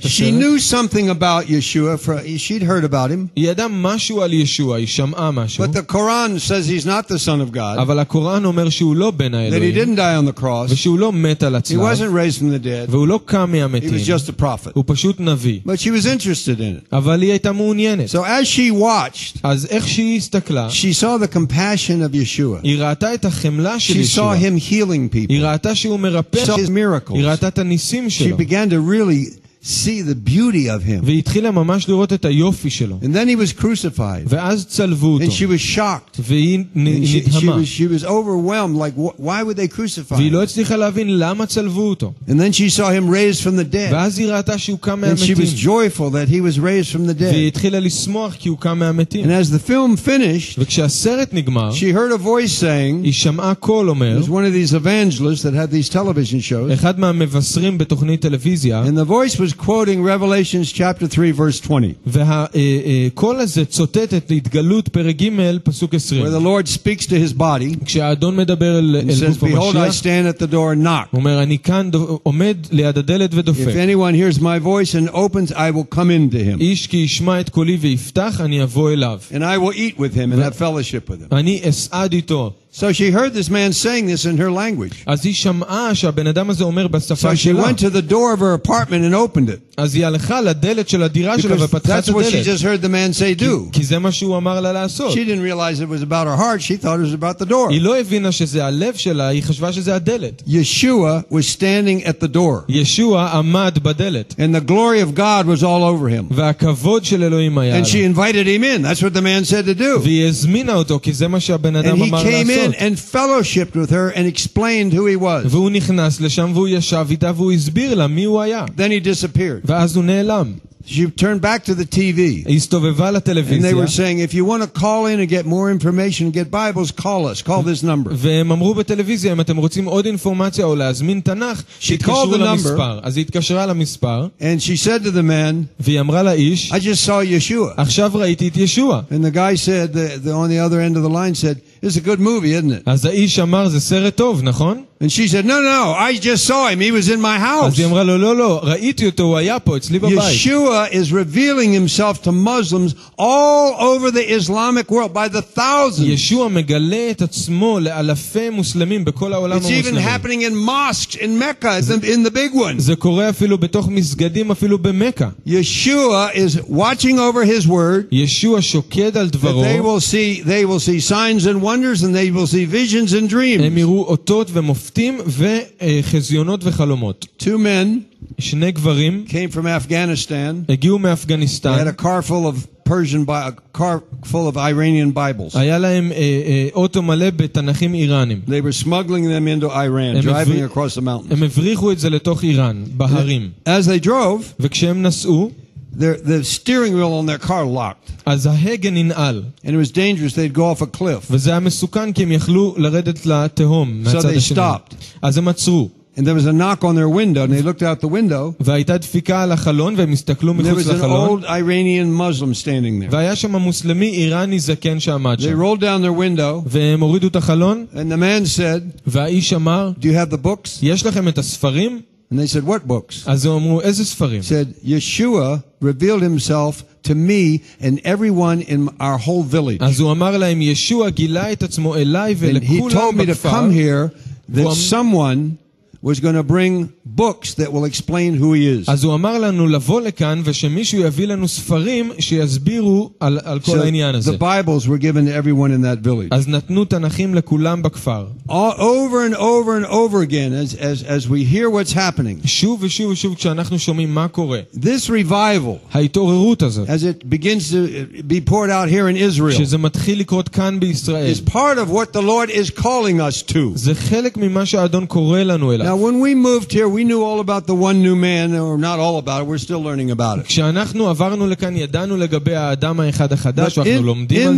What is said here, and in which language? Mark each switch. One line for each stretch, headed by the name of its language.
English: she knew something about Yeshua, she'd heard about him.
Hebrew: היא ידעה משהו על ישוע, היא שמעה משהו.
English: But the Quran says he's not the son of God.
Hebrew: אבל הקוראן אומר שהוא לא בן האלוהים.
English: That he didn't die on the cross.
Hebrew: ושהוא לא מת על הצלב.
English: He wasn't raised from the dead.
Hebrew: והוא לא קם מהמתים.
English: He was just a prophet.
Hebrew: הוא פשוט נביא.
English: But she was interested in it.
Hebrew: אבל היא הייתה מעוניינת.
English: So as she watched,
Hebrew: אז איך שהיא הסתכלה,
English: she saw the compassion of Yeshua.
Hebrew: היא ראתה את החמלה של
English: ישוע. She saw him healing people.
Hebrew: היא ראתה שהוא מרפא.
English: She saw his miracles.
Hebrew: היא ראתה את הניסים שלו.
English: She began to really see the beauty of him.
Hebrew: והתחילה ממש לראות את היופי שלו.
English: And then he was crucified.
Hebrew: ואז צלבו אותו.
English: And she was shocked.
Hebrew: והיא נדהמה.
English: She was overwhelmed, like, why would they crucify him?
Hebrew: והיא לא הצליחה להבין למה צלבו אותו.
English: And then she saw him raised from the dead.
Hebrew: ואז היא ראתה שהוא קם מהמתים.
English: And she was joyful that he was raised from the dead.
Hebrew: והיא התחילה לשמוח כי הוא קם מהמתים.
English: And as the film finished,
Hebrew: וכשהסרט נגמר,
English: she heard a voice saying,
Hebrew: היא שמעה קול אומר,
English: it was one of these evangelists that had these television shows.
Hebrew: אחד מהמבשרים בתוכנית טלוויזיה.
English: And the voice was quoting Revelation chapter 3 verse 20.
Hebrew: והקול הזה צוטט את התגלות פרק ג' פסוק 20.
English: Where the Lord speaks to his body.
Hebrew: כשהאדון מדבר אל גוף המשיח.
English: Behold, I stand at the door and knock.
Hebrew: אומר אני כאן עומד ליד הדלת ודופק.
English: If anyone hears my voice and opens, I will come in to him.
Hebrew: איש כי ישמע את קולי ויפתח, אני אבוא אליו.
English: And I will eat with him and have fellowship with him.
Hebrew: אני אסעד איתו.
English: So she heard this man saying this in her language.
Hebrew: אז היא שמעה שהבן אדם הזה אומר בשפה שלה.
English: So she went to the door of her apartment and opened it.
Hebrew: אז היא הלכה לדלת של הדירה שלה ופתחה את הדלת.
English: That's what she just heard the man say do.
Hebrew: כי זה מה שהוא אמר לה לעשות.
English: She didn't realize it was about her heart, she thought it was about the door.
Hebrew: היא לא הבינה שזה הלב שלה, היא חשבה שזה הדלת.
English: Yeshua was standing at the door.
Hebrew: ישועה עמד בדלת.
English: And the glory of God was all over him.
Hebrew: והכבוד של אלוהים היה עליו.
English: And she invited him in. That's what the man said to do.
Hebrew: והיא הזמינה אותו כי זה מה שהבן אדם אמר לעשות.
English: And fellowshiped with her and explained who he was.
Hebrew: והוא נכנס לשם והוא ישב איתה והוא הסביר לה מי הוא היה.
English: Then he disappeared.
Hebrew: ואז הוא נעלם.
English: She turned back to the TV.
Hebrew: היא הסתובבה לטלוויזיה.
English: And they were saying, if you want to call in and get more information, get Bibles, call us. Call this number.
Hebrew: והם אמרו בטלוויזיה, אם אתם רוצים עוד אינפורמציה או להזמין תנ"ך, תתקשרו למספר. אז היא התקשרה למספר.
English: And she said to the man,
Hebrew: והיא אמרה לאיש,
English: I just saw Yeshua.
Hebrew: עכשיו ראיתי את ישוע.
English: And the guy said, the on the other end of the line said, it's a good movie, isn't it?
Hebrew: אז האיש אמר, זה סרט טוב, נכון?
English: And she said, no, I just saw him. He was in my house.
Hebrew: אז היא אמרה לו, לא, ראיתי אותו, הוא היה פה, אצלי בבית.
English: Yeshua is revealing himself to Muslims all over the Islamic world by the thousands.
Hebrew: ישועה מגלה את עצמו לאלפי מוסלמים בכל העולם המוסלמי.
English: It's even happening in mosques in Mecca, in the big ones.
Hebrew: זה קורה אפילו בתוך מסגדים אפילו במכה.
English: Yeshua is watching over his word.
Hebrew: ישועה שוקד על דברו.
English: They will see signs and wonders and they will see visions and dreams.
Hebrew: הם יראו אותות ומופתים. מופתים וחזיונות וחלומות.
English: Two men,
Hebrew: שני גברים,
English: came from Afghanistan.
Hebrew: הגיעו מאפגניסטן.
English: They had a car full of Persian by a car full of Iranian Bibles.
Hebrew: היה להם אוטו מלא בתנכים איראנים.
English: They were smuggling them into Iran, driving across the mountains.
Hebrew: הם הבריחו את זה לתוך איראן, בהרים.
English: As they drove,
Hebrew: וכשהם נסעו,
English: the steering wheel on their car locked.
Hebrew: אז ההגה ננעל.
English: And it was dangerous, they'd go off a cliff.
Hebrew: וזה היה מסוכן כי הם יכלו לרדת לתהום מהצד השני.
English: So they stopped.
Hebrew: אז הם עצרו.
English: And there was a knock on their window and they looked out the window.
Hebrew: והייתה דפיקה על החלון והם הסתכלו מחוץ לחלון.
English: There was an old Iranian Muslim standing there.
Hebrew: והיה שם מוסלמי איראני זקן שעמד שם.
English: They rolled down their window.
Hebrew: והם הורידו את החלון.
English: And the man said,
Hebrew: והאיש אמר,
English: do you have the books?
Hebrew: יש לכם את הספרים?
English: And they said, what books?
Hebrew: אז הם אמרו, איזה ספרים?
English: Said, Yeshua revealed himself to me and everyone in our whole village.
Hebrew: אז הוא אמר להם, ישועה גילה את עצמו אליי ולכולם בכפר.
English: And he told me to come here that someone was going to bring books that will explain who he is.
Hebrew: אז הוא אמר לנו לבוא לכאן ושמישהו יביא לנו ספרים שיסבירו על כל העניין הזה.
English: The Bibles were given to everyone in that village.
Hebrew: אז נתנו תנכים לכולם בכפר.
English: Over and over and over again as we hear what's happening.
Hebrew: שוב ושוב ושוב כשאנחנו שומעים מה קורה.
English: This revival.
Hebrew: ההתעוררות הזאת.
English: As it begins to be poured out here in Israel.
Hebrew: שזה מתחיל לקרות כאן בישראל.
English: Is part of what the Lord is calling us to.
Hebrew: זה חלק ממה שהאדון קורא לנו.
English: Now when we moved here we knew all about the one new man or not all about it we're still learning about it.
Hebrew: כשאנחנו עברנו לכאן ידענו לגבי האדם האחד החדש ואנחנו לומדים על